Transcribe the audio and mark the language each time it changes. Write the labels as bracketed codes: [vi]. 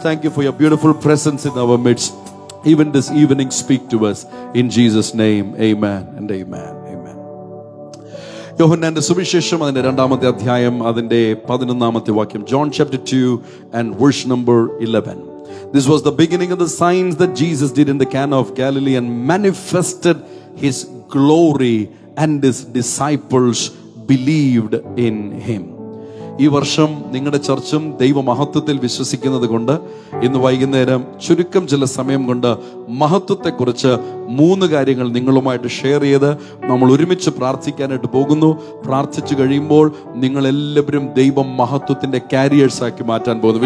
[en] Thank you for your beautiful presence in our midst. Even this evening, speak to us. In Jesus' name, amen and amen. [ml] യോഹന്നാന്റെ സുവിശേഷം അതിന്റെ രണ്ടാമത്തെ അധ്യായം അതിന്റെ പതിനൊന്നാമത്തെ വാക്യം. [en] John chapter 2 and verse number 11. This was the beginning of the signs that Jesus did in the Cana of Galilee and manifested his glory and his disciples believed in him. [ml] ഈ വർഷം നിങ്ങളുടെ ചർച്ചും ദൈവമഹത്വത്തിൽ വിശ്വസിക്കുന്നത് കൊണ്ട് ഇന്ന് വൈകുന്നേരം ചുരുക്കം ചില സമയം കൊണ്ട് മഹത്വത്തെക്കുറിച്ച് മൂന്ന് കാര്യങ്ങൾ നിങ്ങളുമായിട്ട് ഷെയർ ചെയ്ത് നമ്മൾ ഒരുമിച്ച് പ്രാർത്ഥിക്കാനായിട്ട് പോകുന്നു. പ്രാർത്ഥിച്ചു കഴിയുമ്പോൾ നിങ്ങളെല്ലാവരും ദൈവം മഹത്വത്തിന്റെ കാരിയേഴ്സ് ആക്കി മാറ്റാൻ പോകുന്നു.